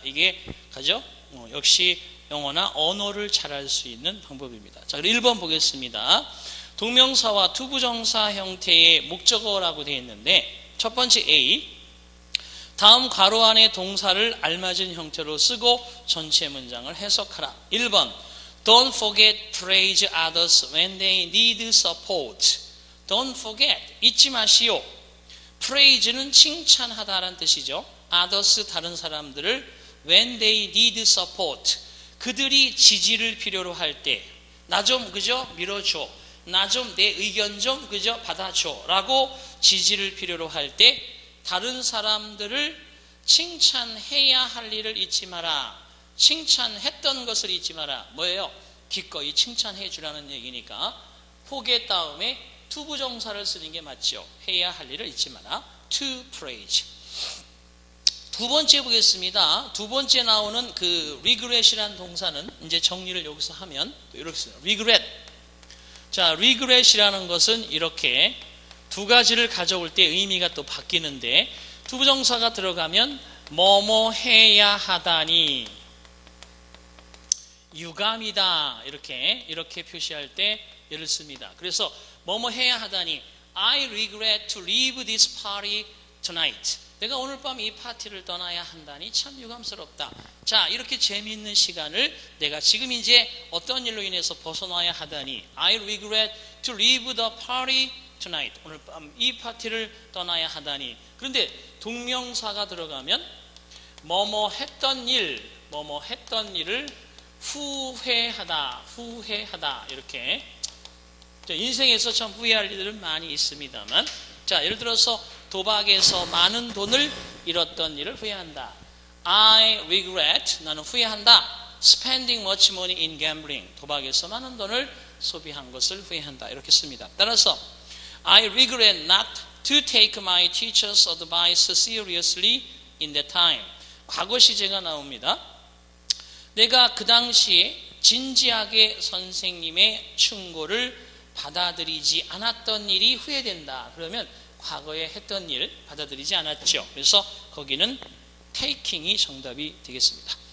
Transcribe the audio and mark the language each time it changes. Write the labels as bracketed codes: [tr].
[ko] 이게 가죠? 역시 영어나 언어를 잘할 수 있는 방법입니다. 자, 그럼 1번 보겠습니다. 동명사와 투부정사 형태의 목적어라고 되어 있는데 첫 번째 A 다음 괄호 안에 동사를 알맞은 형태로 쓰고 전체 문장을 해석하라. [en] 1번 Don't forget praise others when they need support. Don't forget [ko] 잊지 마시오. Praise는 칭찬하다라는 뜻이죠. Others 다른 사람들을 [en] when they need support [ko] 그들이 지지를 필요로 할 때 나 좀 그죠 밀어줘 나 좀 내 의견 좀 그죠 받아줘 라고 지지를 필요로 할 때 다른 사람들을 칭찬해야 할 일을 잊지 마라. 칭찬했던 것을 잊지 마라. 뭐예요? 기꺼이 칭찬해 주라는 얘기니까 forget 다음에 투부정사를 쓰는 게 맞죠. 해야 할 일을 잊지 마라. To praise. 두 번째 보겠습니다. 두 번째 나오는 그 regret이라는 동사는 이제 정리를 여기서 하면 이렇게 써요. [en] regret. [ko] 자, regret이라는 것은 이렇게 두 가지를 가져올 때 의미가 또 바뀌는데 투부정사가 들어가면 뭐뭐 해야 하다니 유감이다 이렇게 표시할 때 예를 씁니다. 그래서 뭐뭐 해야 하다니 [en] I regret to leave this party tonight. [ko] 내가 오늘 밤 이 파티를 떠나야 한다니 참 유감스럽다. 자, 이렇게 재미있는 시간을 내가 지금 이제 어떤 일로 인해서 벗어나야 하다니 [en] I regret to leave the party tonight. [ko] 오늘 밤 이 파티를 떠나야 하다니. 그런데 동명사가 들어가면 뭐뭐 했던 일, 뭐뭐 했던 일을 후회하다 이렇게 인생에서 참 후회할 일들은 많이 있습니다만 자 예를 들어서 도박에서 많은 돈을 잃었던 일을 후회한다. [en] I regret [ko] 나는 후회한다. [en] Spending much money in gambling [ko] 도박에서 많은 돈을 소비한 것을 후회한다 이렇게 씁니다. 따라서 [en] I regret not to take my teacher's advice seriously in that time. [ko] 과거 시제가 나옵니다. 내가 그 당시에 진지하게 선생님의 충고를 받아들이지 않았던 일이 후회된다. 그러면 과거에 했던 일 받아들이지 않았죠. 그래서 거기는 taking이 정답이 되겠습니다.